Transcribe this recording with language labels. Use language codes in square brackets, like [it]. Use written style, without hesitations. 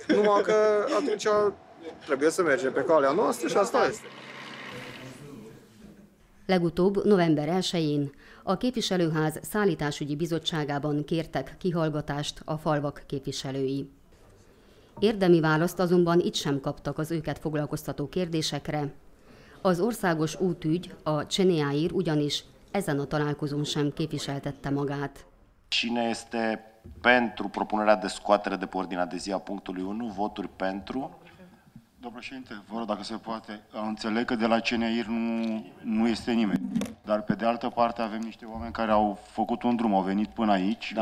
[ro] Numai că atunci trebuie să mergem pe calea noastră și asta este. [hu] Legutóbb, november 1-én a Képviselőház Szállításügyi Bizottságában kértek kihallgatást a falvak képviselői. Érdemi választ azonban itt sem kaptak az őket foglalkoztató kérdésekre. Az országos útügy, a CNEAIR ugyanis ezen a találkozón sem képviseltette magát. [ro] Cine este pentru propunerea de scoatere de pe ordinea de zi a punctului 1, voturi pentru? Domnul președinte, vă rog dacă se poate, înțeleg că de la CNEAIR nu este nimeni. Dar pe de altă parte avem niște oameni care au făcut un drum, au venit până aici. Da.